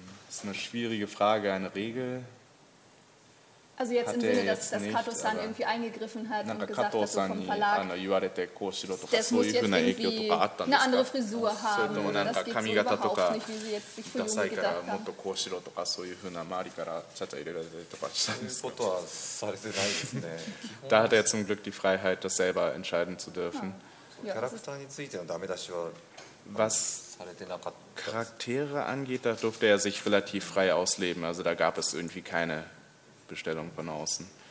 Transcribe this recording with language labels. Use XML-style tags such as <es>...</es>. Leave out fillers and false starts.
<de>ist eine schwierige Frage, eine Regel. Also jetzt im Sinne, dass Kato-san irgendwie eingegriffen hat und gesagt hat, so vom Verlag,</de> <ja>あの言われてこうしろとかそういうふうな影響とかあったんですか。</ja> <de>eine andere Frisur haben.</de> <ja>それともなんか髪型とか、ダサいからもっとこうしろとかそういうふうな周りからちゃちゃ入れられたりとかしたんですか。ことはされてないですね。</ja> <de>Da hat er zum Glück die Freiheit, das selber entscheiden zu dürfen.</de> <ja>キャラクターについてのダメ出しは。</ja> <de>Was Charaktere angeht, da durfte er sich relativ frei ausleben. Also da gab es irgendwie keine Bestellung von außen.</de>